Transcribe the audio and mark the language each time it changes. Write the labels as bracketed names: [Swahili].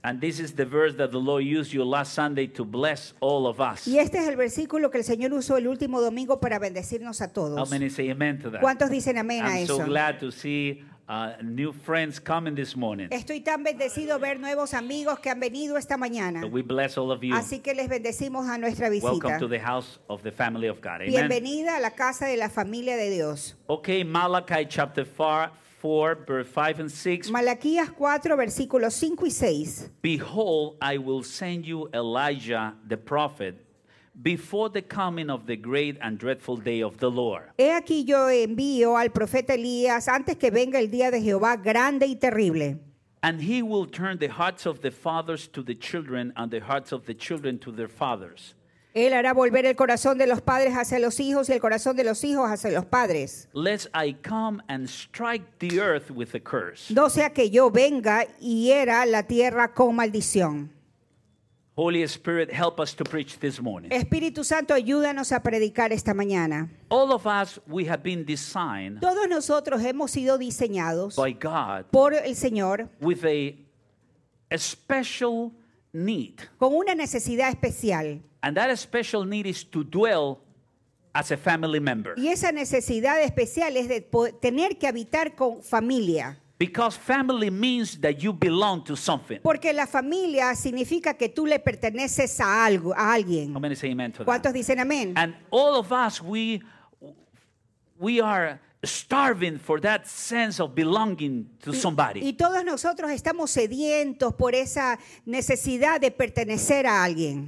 [English] And this is the verse that the Lord used you last Sunday to bless all of us. [Spanish] Y este es el versículo que el Señor usó el último domingo para bendecirnos a todos. [English] How many say amen to that? [Spanish] ¿Cuántos dicen amén a eso? [English] I'm so glad to see new friends coming this morning. [Spanish] Estoy tan bendecido ver nuevos amigos que han venido esta mañana. [English] We bless all of you. [Spanish] Así que les bendecimos a nuestra visita. [English] Welcome to the house of the family of God. Amen. [Spanish] Bienvenida a la casa de la familia de Dios. [English] Okay, Malachi chapter 4, verse 5 and 6. [Spanish] Malaquías 4, versículos 5 y 6. [English] Behold, I will send you Elijah the prophet before the coming of the great and dreadful day of the Lord. [Spanish] He aquí yo envío al profeta Elías antes que venga el día de Jehová grande y terrible. [English] And he will turn the hearts of the fathers to the children and the hearts of the children to their fathers. [Spanish] Él hará volver el corazón de los padres hacia los hijos y el corazón de los hijos hacia los padres. [English] Lest I come and strike the earth with a curse. [Spanish] No sea que yo venga y hiera la tierra con maldición. [English] Holy Spirit, help us to preach this morning. [Spanish] Espíritu Santo, ayúdanos a predicar esta mañana. [English] All of us, we have been designed. [Spanish] Todos nosotros hemos sido diseñados [English] by God [Spanish] por el Señor [English] with a special need. [Spanish] Con una necesidad especial. [English] And that special need is to dwell as a family member. [Spanish] Y esa necesidad especial es de tener que habitar con familia. [English] Because family means that you belong to something. [Spanish] Porque la familia significa que tú le perteneces a algo, a alguien. [English] How many say amen to that? [Spanish] ¿Cuántos dicen amén? [English] And all of us, we are starving for that sense of belonging to somebody. [Spanish] Y todos nosotros estamos sedientos por esa necesidad de pertenecer a alguien.